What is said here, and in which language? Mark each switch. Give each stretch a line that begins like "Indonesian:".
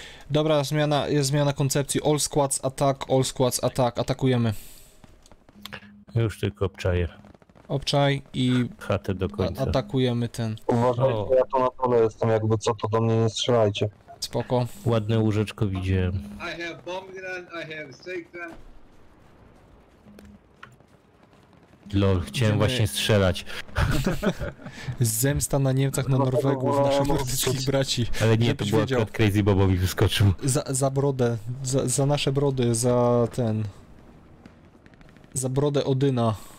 Polish: Dobra, jest zmiana koncepcji.
English: All squads attack,
Polish: atakujemy. Już tylko obczaję. Obczaj i chatę do końca. Atakujemy ten. Uważajcie, ja tu na dole jestem, jakby co, to do mnie nie strzelajcie. Spoko. Ładne łóżeczko widziałem.
English: I have bomb gun, I have safe gun.
Polish: Lol, chciałem właśnie strzelać. Zemsta na Niemcach, na Norwegów, naszych nordyckich braci. Ale nie, to była akurat Crazy Bobo mi wyskoczył. Za brodę, za nasze brody, za ten... Za brodę Odyna.